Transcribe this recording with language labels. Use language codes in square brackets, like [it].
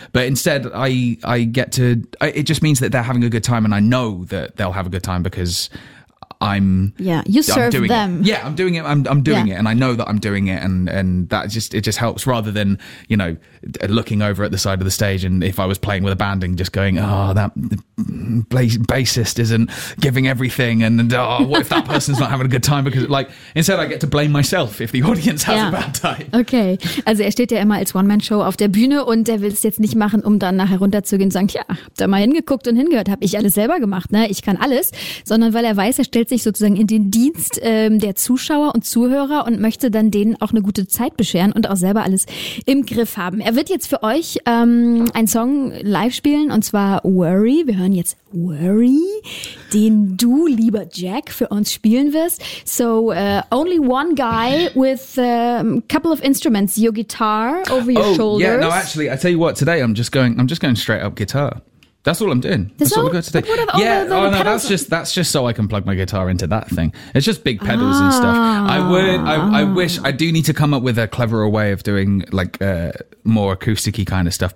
[en] But instead, it just means that they're having a good time, and I know that they'll have a good time because I'm doing it and I know that I'm doing it, and that just, it just helps, rather than, you know, looking over at the side of the stage and if I was playing with a band and just going, oh, that bassist isn't giving everything, and oh, what if that person's not having a good time, because like instead I get to blame myself if the audience has a bad time. [de] Okay, also er steht ja immer als One-Man-Show auf der Bühne und er will es jetzt nicht machen, um dann nachher runterzugehen und sagen, ja, hab da mal hingeguckt und hingehört, hab ich alles selber gemacht, ne, ich kann alles, sondern weil er weiß, er stellt sich sozusagen in den Dienst der Zuschauer und Zuhörer und möchte dann denen auch eine gute Zeit bescheren und auch selber alles im Griff haben. Er wird jetzt für euch einen Song live spielen, und zwar Worry. Wir hören jetzt Worry, den du, lieber Jack, für uns spielen wirst. [en] So, only one guy with a couple of instruments, your guitar over your shoulders. Yeah, no, actually, I tell you what, today I'm just going straight up guitar. That's all I'm doing. That's all we've got today. That's just so I can plug my guitar into that thing. It's just big pedals and stuff. I do need to come up with a cleverer way of doing like more acoustic-y kind of stuff.